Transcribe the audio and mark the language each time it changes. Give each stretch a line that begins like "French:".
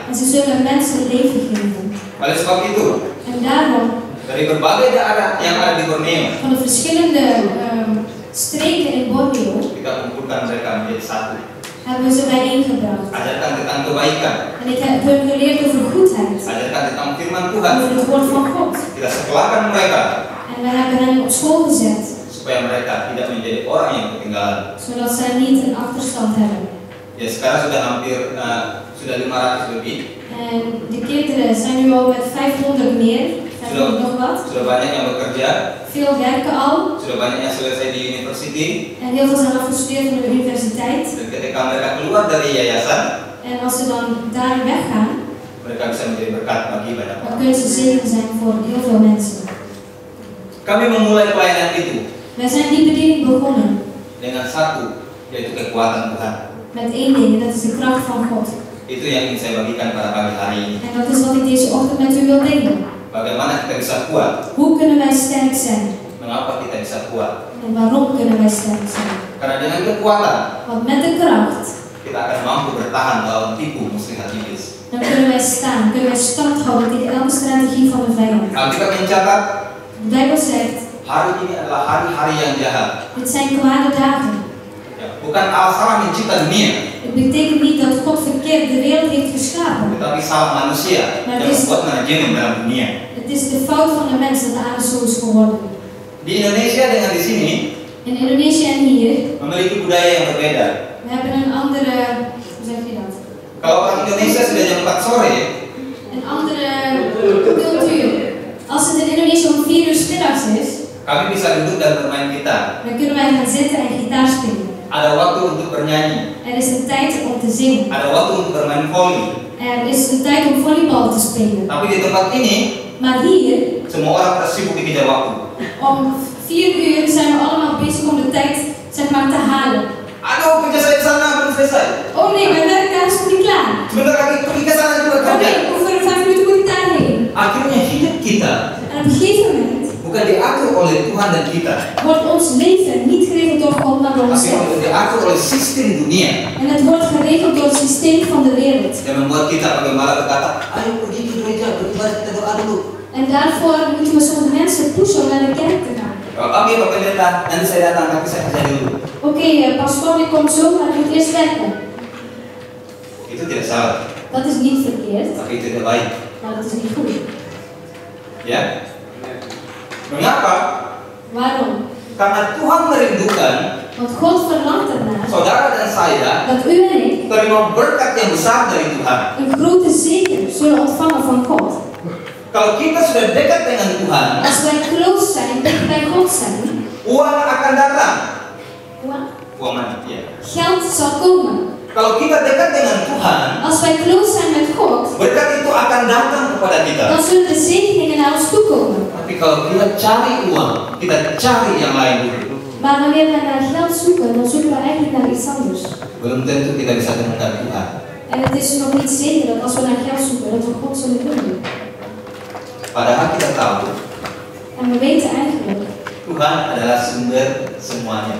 Dutch: En ze zullen mensen leven geven.
Indonesian: Oleh sebab itu,
Dutch: en daarom,
Indonesian: dari berbagai daerah yang ada di Borneo,
Dutch: van de verschillende streken in Borneo,
Indonesian: kita kumpulkan mereka menjadi satu.
Dutch: Hebben ze bijeengebracht.
Indonesian: Ajarkan tentang kebaikan.
Dutch: En ik heb hun geleerd over goedheid.
Indonesian: Ajarkan tentang firman Tuhan.
Dutch: Over het woord van God.
Indonesian: Kita sekolahkan mereka.
Dutch: En we hebben hen op school gezet.
Indonesian: Supaya mereka tidak menjadi orang yang ketinggalan.
Dutch: Zodat zij niet een achterstand hebben.
Indonesian: Ya, sekarang sudah hampir sudah 500 lebih.
Dutch: En de kinderen zijn nu al met 500 meer.
Indonesian: Sudah banyak yang bekerja.
Dutch: Veel werken al.
Indonesian: Sudah banyak yang selesai di university.
Dutch: En heel veel zijn afgestudeerd van de universiteit.
Indonesian: Dan ketika mereka keluar dari yayasan.
Dutch: En als ze dan daar weggaan.
Indonesian: Mereka bisa menjadi berkat bagi banyak orang.
Dutch: Dan kunnen ze zegen zijn voor heel veel mensen.
Indonesian: Kami memulai pelayanan itu.
Dutch: Wij zijn die bediening begonnen.
Indonesian: Dengan satu, yaitu kekuatan Tuhan.
Dutch: Met één ding, dat is de kracht van God.
Indonesian: Itu yang ingin saya bagikan pada pagi hari ini.
Dutch: En dat is wat ik deze ochtend met u wil delen.
Indonesian: Bagaimana kita bisa kuat?
Dutch: Hoe kunnen wij sterk zijn?
Indonesian: Mengapa kita bisa kuat?
Dutch: En waarom kunnen wij sterk zijn?
Indonesian: Karena dengan kekuatan.
Dutch: Want met de kracht.
Indonesian: Kita akan mampu bertahan melawan tipu muslihat iblis.
Dutch: Dan kunnen wij staan, kunnen wij stand houden tegen elke strategie van de vijand.
Indonesian: Alkitab mencatat.
Dutch: De Bijbel zegt.
Indonesian: Hari ini adalah hari-hari yang jahat.
Dutch: Het zijn kwade dagen.
Indonesian: Bukan Allah mencipta dunia.
Dutch: Het betekent niet dat God verkeerd de wereld heeft geschapen.
Indonesian: Tetapi salah manusia yang membuat manajemen dalam dunia.
Dutch: Het is de fout van de mens dat de aarde zo is geworden.
Indonesian: Di Indonesia dengan di sini.
Dutch: In Indonesia en hier.
Indonesian: Memiliki budaya yang berbeda.
Dutch: We hebben een andere, hoe zeg je dat?
Indonesian: Kalau orang Indonesia sudah jam 4 sore.
Dutch: Een andere cultuur. Als het in Indonesia om 4 uur 's middags is.
Indonesian: Kami bisa duduk dan bermain gitar.
Dutch: Dan kunnen wij gaan zitten en gitaar spelen.
Indonesian: Ada waktu untuk bernyanyi.
Dutch: Er is een tijd om te zingen.
Indonesian: Ada waktu untuk bermain voli.
Dutch: Er is een tijd om volleybal te spelen.
Indonesian: Tapi di tempat ini.
Dutch: Maar hier.
Indonesian: Semua orang tersibuk dikejar waktu.
Dutch: Om 4 uur zijn we allemaal bezig om de tijd zeg maar te halen.
Indonesian: Ada waktu kerja saya di sana belum selesai.
Dutch: Oh nee, mijn werk daar is nog niet klaar.
Indonesian: Sebentar lagi pergi ke sana juga kerja.
Dutch: Oh nee, over 5 minuten moet ik daar heen.
Indonesian: Akhirnya hidup kita.
Dutch: En op een gegeven moment.
Indonesian: Bukan diatur oleh Tuhan dan kita.
Dutch: Wordt ons leven niet geregeld door God, maar door onszelf.
Indonesian: Tapi diatur oleh sistem dunia.
Dutch: En het wordt geregeld door het systeem van de wereld.
Indonesian: Yang membuat kita pada malam berkata, ayo pergi ke gereja, berubah kita doa dulu.
Dutch: En daarvoor moeten we sommige mensen pushen om naar de kerk te gaan.
Indonesian: Oke, Pak Pendeta, nanti saya datang, tapi saya kerja dulu.
Dutch: Oke, pastor, ik kom zo, maar ik moet eerst werken.
Indonesian: Itu tidak salah.
Dutch: Dat is niet verkeerd.
Indonesian: Tapi itu tidak baik.
Dutch: Maar dat is niet goed.
Indonesian: Ya? Mengapa?
Dutch: Waarom?
Indonesian: Karena Tuhan merindukan.
Dutch: Want God verlangt ernaar.
Indonesian: Saudara dan saya.
Dutch: Dat u en ik.
Indonesian: Terima berkat yang besar dari Tuhan.
Dutch: Een grote zegen zullen ontvangen van God.
Indonesian: Kalau kita sudah dekat dengan Tuhan.
Dutch: Als wij close zijn, dicht bij God zijn.
Indonesian: Uang akan datang. Uang? Uang mana? Ya.
Dutch: Geld zal komen.
Indonesian: Kalau kita dekat dengan Tuhan.
Dutch: Als wij close zijn met God.
Indonesian: Berkat itu akan datang kepada kita.
Dutch: Dan zullen de zegeningen naar ons toe komen.
Indonesian: Tapi kalau kita cari uang, kita cari yang lain dulu.
Dutch: Maar wanneer we naar geld zoeken, dan zoeken we eigenlijk naar iets anders.
Indonesian: Belum tentu kita bisa dengar Tuhan.
Dutch: En het is nog niet zeker dat als we naar geld zoeken, dat we God zullen vinden.
Indonesian: Padahal kita tahu.
Dutch: En we weten eigenlijk.
Indonesian: Tuhan adalah sumber semuanya.